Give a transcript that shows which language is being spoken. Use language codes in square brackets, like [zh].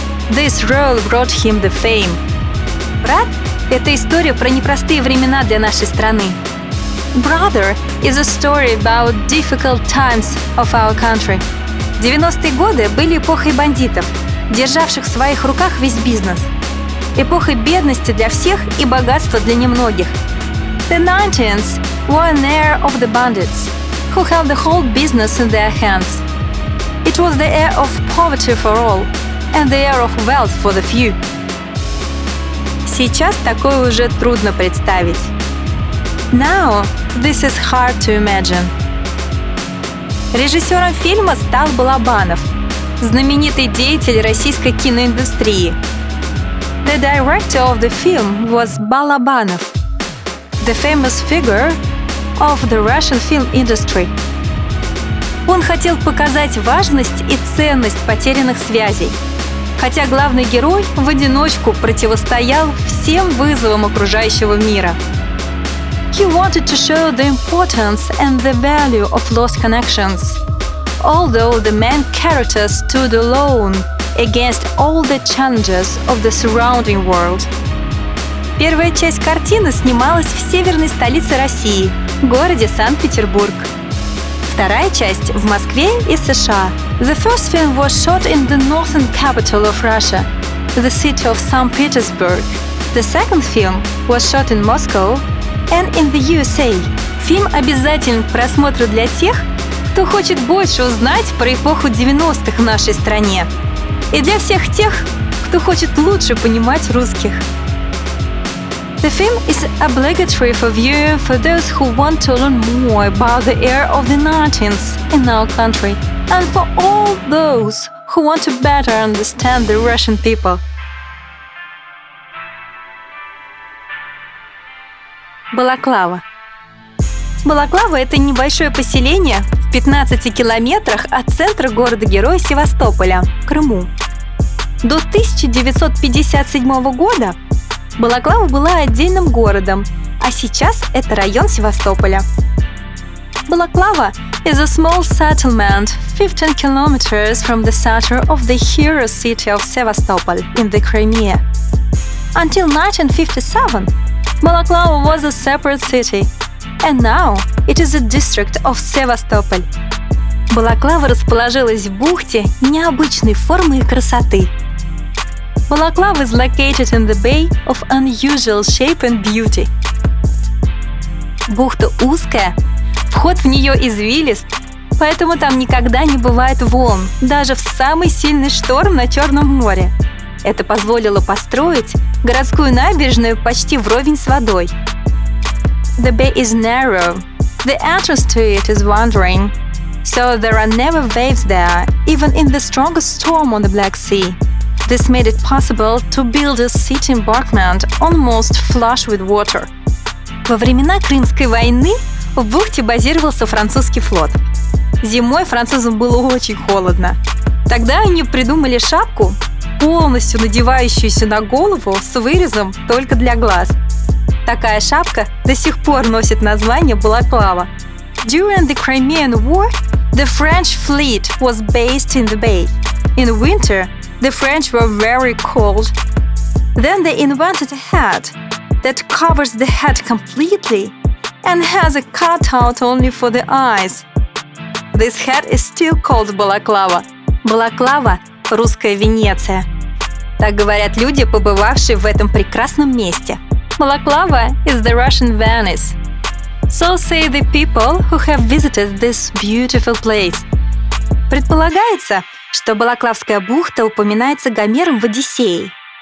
[en] This role brought him the fame. [ru] Брат — это история про непростые времена для нашей страны. [en] «Brother» is a story about difficult times of our country. [ru] 90-е годы были эпохой бандитов, державших в своих руках весь бизнес. Эпохой бедности для всех и богатства для немногих. [en] The 90s were an era of the bandits, who held the whole business in their hands. It was the era of poverty for all, and the era of wealth for the few. [ru] Сейчас такое уже трудно представить. [en] Now, this is hard to imagine. [ru] Режиссером фильма стал Балабанов, знаменитый деятель российской киноиндустрии. [en] The director of the film was Balabanov, the famous figure of the Russian film industry. [ru] Он хотел показать важность и ценность потерянных связей, хотя главный герой в одиночку противостоял всем вызовам окружающего мира. [en] He wanted to show the importance and the value of lost connections, although the main character stood alone against all the challenges of the surrounding world. [ru] Первая часть картины снималась в северной столице России, городе Санкт-Петербург. Вторая часть – в Москве и США. [en] The first film was shot in the northern capital of Russia, the city of St. Petersburg. The second film was shot in Moscow and in the USA. [ru] Фильм обязателен к просмотру для тех, кто хочет больше узнать про эпоху 90-х в нашей стране. И для всех тех, кто хочет лучше понимать русских. [en] The film is obligatory for viewing for those who want to learn more about the era of the 90s in our country and for all those who want to better understand the Russian people. [ru] Балаклава. Балаклава – это небольшое поселение в 15 километрах от центра города-героя Севастополя, Крыму. До 1957 года Балаклава была отдельным городом, а сейчас это район Севастополя. [en] Балаклава is a small settlement 15 kilometers from the center of the hero city of Sevastopol in the Crimea. Until 1957, Balaklava was a separate city, and now it is a district of Sevastopol. [ru] Балаклава расположилась в бухте необычной формы и красоты. [en] Balaklava is located in the bay of unusual shape and beauty. [ru] Бухта узкая, вход в нее извилист, поэтому там никогда не бывает волн, даже в самый сильный шторм на Черном море. Это позволило построить городскую набережную почти вровень с водой. [en] The bay is narrow. The entrance to it is wandering. So there are never waves there, even in the strongest storm on the Black Sea. This made it possible to build a city embankment almost flush with water. [ru] Во времена Крымской войны в бухте базировался французский флот. Зимой французам было очень холодно. Тогда они придумали шапку, полностью надевающуюся на голову с вырезом только для глаз. Такая шапка до сих пор носит название Балаклава. [en] During the Crimean War, the French fleet was based in the bay. In winter, the French were very cold. Then they invented a hat that covers the head completely and has a cutout only for the eyes. This hat is still called Balaklava. [ru] Балаклава – русская Венеция. Так говорят люди, побывавшие в этом прекрасном месте. [en] Balaklava is the Russian Venice. So say the people who have visited this beautiful place. [ru] Предполагается, что Балаклавская бухта упоминается Гомером в Одиссее.